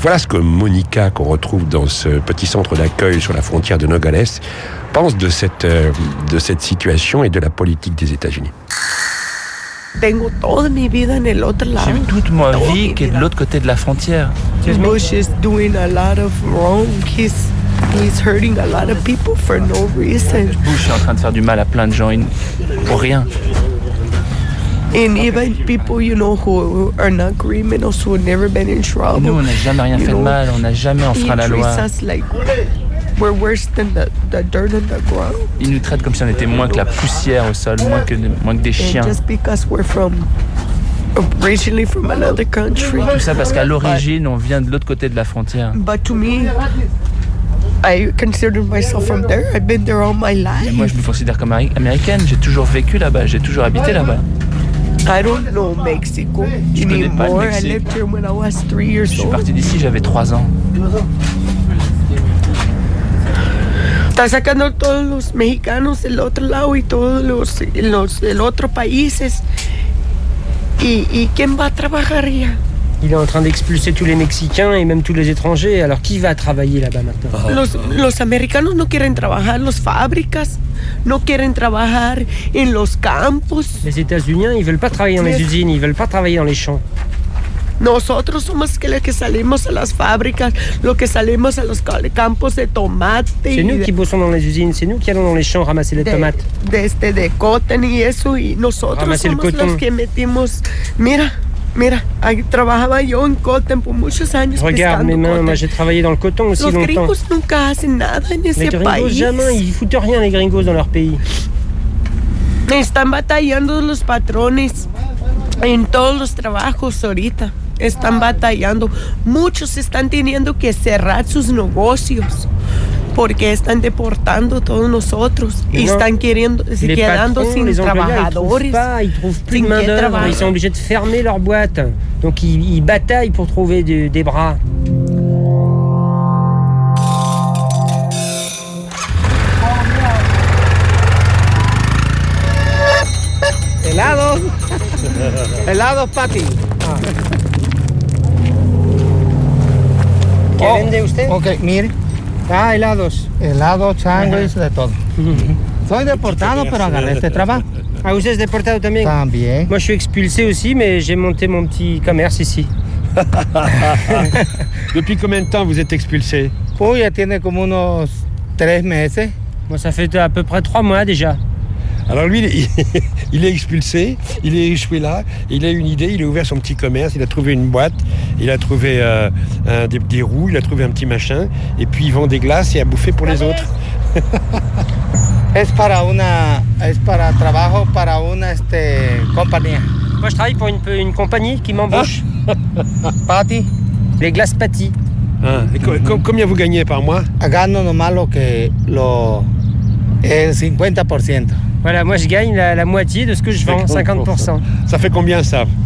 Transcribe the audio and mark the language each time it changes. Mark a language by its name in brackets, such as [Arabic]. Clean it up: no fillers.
[French] Voilà ce que Monica, qu'on retrouve dans ce petit centre d'accueil sur la frontière de Nogales, pense de cette situation et de la politique des États-Unis. J'ai eu toute ma vie qui est de l'autre côté de la frontière. [English] Bush is doing a lot of wrong. He's hurting a lot of people for no reason. [French] Bush est en train de faire du mal à plein de gens pour rien. [English] And even people, you know, who are not criminals, who have never been in trouble. [French] Nous, on n'a jamais rien fait de mal. On n'a jamais enfreint la loi. [English] We're worse than the dirt on the ground. [French] Ils nous traitent comme si on était moins que la poussière au sol, moins que des chiens. [English] And just because we're from originally from another country. [French] Tout ça parce qu'à l'origine, on vient de l'autre côté de la frontière. [English] But to me, I consider myself from there. I've been there all my life. [French] Et moi, je me considère comme américaine. J'ai toujours vécu là-bas. J'ai toujours habité là-bas. [English] I don't know Mexico anymore. I lived here when I was 3 years old. [French] Je suis parti d'ici. J'avais 3 ans. [Spanish] Está sacando todos los mexicanos del otro lado y todos los del otro países. ¿Y quién va a trabajar allá? [French] Il est en train d'expulser tous les Mexicains et même tous les étrangers. Alors qui va travailler là-bas maintenant? [Spanish] Los americanos no quieren trabajar las fábricas, no quieren trabajar en los campos. [French] Les États-Unis, ils veulent pas travailler dans les usines, ils veulent pas travailler dans les champs. [Spanish] Nosotros somos los que salimos a las fábricas, los que salimos a los campos de tomate. [French] C'est nous qui bossons dans les usines, c'est nous qui allons dans les champs ramasser les tomates. [Spanish] De coton y eso, y nosotros somos los que metimos. Mira, Mira, ahí trabajaba yo en coton por muchos años. [French] Regarde mes mains, moi j'ai travaillé dans le coton aussi [Spanish] los [French] longtemps. [Spanish] Los gringos nunca hacen nada en ese país. [French] Les gringos jamais, ils foutent rien les gringos dans leur pays. [Spanish] Están batallando los patrones en todos los trabajos ahorita. Están batallando. Muchos están teniendo que cerrar sus negocios porque están deportando todos nosotros y están queriendo se quedando [French] patrons, [Spanish] sin trabajadores. [French] Ils trouvent plus de main d'œuvre, ils sont obligés de fermer leur boîte. Donc ils bataillent pour trouver des bras. [Spanish] Helados, Pati. ¿Qué vende usted? Ok, mire. Ah, helados. Helados, sándwiches, de todo. Soy deportado, pero agarré este trabajo. ¿A usted es deportado también? También. [French] Moi, je suis expulsé aussi, mais j'ai monté mon petit commerce ici. ¿Depuis combien de temps vous êtes expulsé? [Spanish] Oh, ya tiene como unos 3 meses. [French] Bon, ça fait à peu près 3 mois déjà. Alors lui, il est expulsé, il est échoué là, il a une idée, il a ouvert son petit commerce, il a trouvé une boîte, il a trouvé des roues, il a trouvé un petit machin, et puis il vend des glaces et à bouffer pour les autres. [Spanish] Es para una, es para trabajo para una este, compañía. [French] Moi je travaille pour une compagnie qui m'embauche. Patty. Les glaces Patty. Combien vous gagnez par mois? [Spanish] Gano nomás lo que lo... el 50%. [French] Voilà, moi je gagne la moitié de ce que je vends, 50%. Ça fait combien ça?